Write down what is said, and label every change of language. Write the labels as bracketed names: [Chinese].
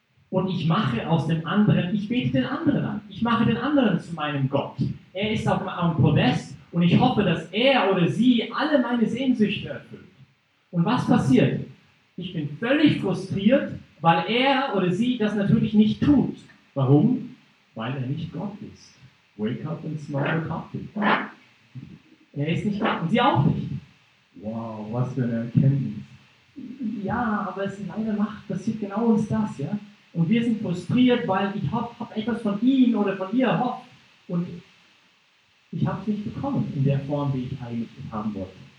[German] Und ich mache aus dem anderen, ich bete den anderen an. Ich mache den anderen zu meinem Gott. Er ist auf meinem Podest und ich hoffe, dass er oder sie alle meine Sehnsüchte erfüllt. Und was passiert? Ich bin völlig frustriert, weil er oder sie das natürlich nicht tut. Warum? Weil er nicht Gott ist. [English] Wake up and smell the coffee. [German] Er ist nicht Gott und sie auch nicht. Wow, was für eine Erkenntnis. Ja, aber es ist leider Macht, passiert genau uns das, ja. Und wir sind frustriert, weil ich hab etwas von ihm oder von ihr erhofft. Und ich habe es nicht bekommen in der Form, wie ich eigentlich haben wollte.